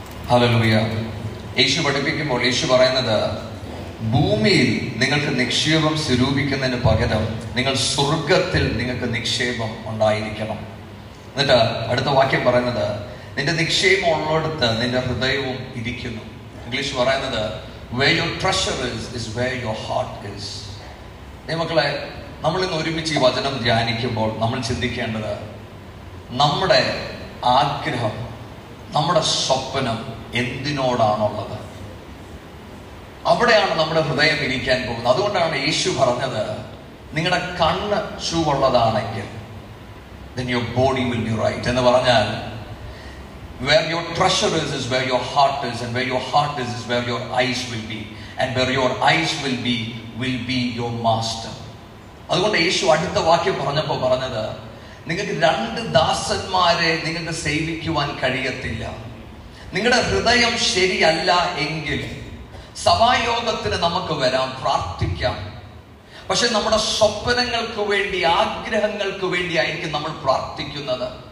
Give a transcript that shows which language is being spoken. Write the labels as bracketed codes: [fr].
[ml] Hallelujah. യേശു പഠിപ്പിക്കുമ്പോൾ യേശു പറയുന്നത് ഭൂമിയിൽ നിങ്ങൾക്ക് നിക്ഷേപം സ്വരൂപിക്കുന്നതിന് പകരം നിങ്ങൾ സ്വർഗത്തിൽ നിങ്ങൾക്ക് നിക്ഷേപം ഉണ്ടായിരിക്കണം. എന്നിട്ട് അടുത്ത വാക്യം പറയുന്നത് നിന്റെ നിക്ഷേപം ഉള്ളിടത്ത് നിന്റെ ഹൃദയവും ഇരിക്കുന്നു. ഇംഗ്ലീഷ് പറയുന്നത് [en] Where your treasure is where your heart is. [ml] ദൈവമക്കളെ, നമ്മൾ ഇന്ന് ഒരുമിച്ച് ഈ വചനം ധ്യാനിക്കുമ്പോൾ നമ്മൾ ചിന്തിക്കേണ്ടത് നമ്മുടെ ആഗ്രഹം, നമ്മുടെ സ്വപ്നം എന്തിനോടാണുള്ളത്, അവിടെയാണ് നമ്മുടെ ഹൃദയം ഇരിക്കാൻ പോകുന്നത്. അതുകൊണ്ടാണ് യേശു പറഞ്ഞത് നിങ്ങളുടെ കണ്ണ് ചൂവുള്ളതാണെങ്കിൽ [en] then your body will be right [ml] എന്ന് പറഞ്ഞാൽ [en] Where your treasure is where your heart is, and where your heart is where your eyes will be, and where your eyes will be your master. [ml] അതുകൊണ്ട് യേശു അടുത്ത വാക്യം പറഞ്ഞപ്പോൾ പറഞ്ഞത് നിങ്ങൾക്ക് രണ്ട് ദാസന്മാരെ നിങ്ങൾക്ക് സേവിക്കുവാൻ കഴിയത്തില്ല. നിങ്ങളുടെ ഹൃദയം ശരിയല്ല എങ്കിൽ സഭായോഗത്തിന് നമുക്ക് വരാം, പ്രാർത്ഥിക്കാം, പക്ഷെ നമ്മുടെ സ്വപ്നങ്ങൾക്ക് വേണ്ടി, ആഗ്രഹങ്ങൾക്ക് വേണ്ടി ആയിരിക്കും നമ്മൾ പ്രാർത്ഥിക്കുന്നത്.